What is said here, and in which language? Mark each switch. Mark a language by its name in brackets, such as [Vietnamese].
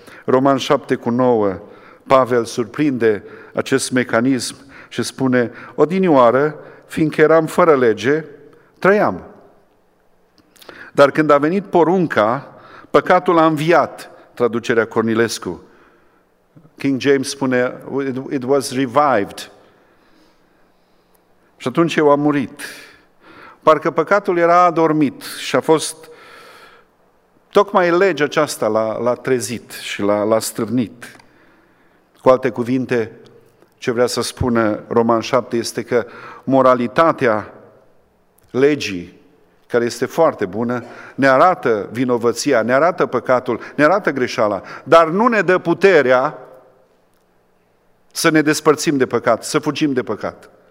[Romanian] Roman 7:9, Pavel surprinde acest mecanism și spune: odinioară, fiindcă eram fără lege, trăiam. Dar când a venit porunca, păcatul a înviat, traducerea Cornilescu. King James spune, [English] it was revived. [Romanian] Și atunci eu am murit. Parcă păcatul era adormit și a fost, tocmai legea aceasta l-a trezit și l-a strâvnit. Cu alte cuvinte, ce vrea să spună Roman 7 este că moralitatea legii, care este foarte bună, ne arată vinovăția, ne arată păcatul, ne arată greșeala, dar nu ne dă puterea să ne despărțim de păcat, să fugim de păcat.